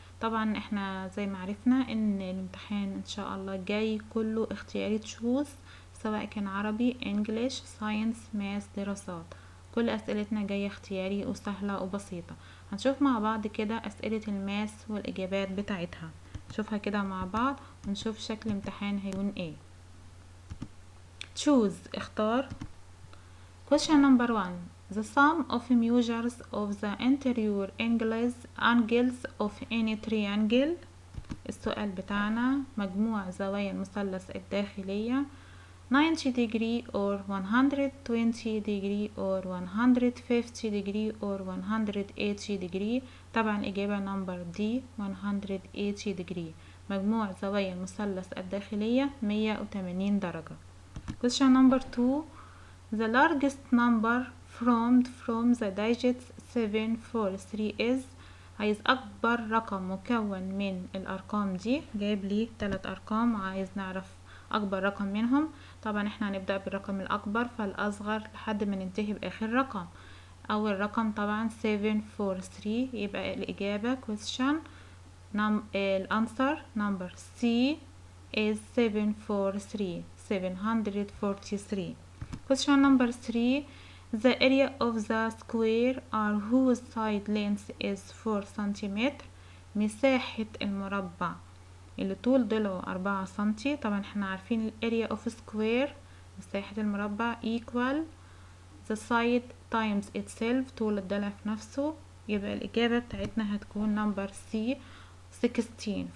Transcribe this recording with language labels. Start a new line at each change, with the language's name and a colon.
Arabic: طبعا احنا زي ما عرفنا ان الامتحان ان شاء الله جاي كله اختياري، تشوز سواء كان عربي انجليش ساينس ماث دراسات، كل أسئلتنا جاية اختياري وسهلة وبسيطة. هنشوف مع بعض كده أسئلة الماس والإجابات بتاعتها، نشوفها كده مع بعض ونشوف شكل امتحان هيكون ايه. choose اختار.
English: question number one: the sum of measures of the interior angles of any triangle.
Arabic: السؤال بتاعنا مجموع زوايا المثلث الداخلية
English: 90 degree or 120 degree or 150 degree or 180 degree.
Arabic: طبعا الإجابة نمبر دي 180 degree، مجموع زوايا المثلث الداخلية 180 درجة.
English: question number 2: the largest number formed from the digits 7, 4, 3 is.
Arabic: عايز أكبر رقم مكون من الأرقام دي، جايب لي 3 أرقام وعايز نعرف أكبر رقم منهم. طبعا احنا هنبدأ بالرقم الأكبر فالأصغر لحد ما ننتهي بآخر رقم. أول رقم طبعا 7, 4, 3، يبقى الإجابة question الأنسر number C is 743.
English: question number 3: the area of the square or whose side length is 4 cm.
Arabic: مساحة المربع اللي طول ضلعه 4 سنتي. طبعا احنا عارفين
English: area of square،
Arabic: مساحة المربع
English: equal the side times itself،
Arabic: طول الضلع في نفسه. يبقى الإجابة بتاعتنا هتكون number C 16.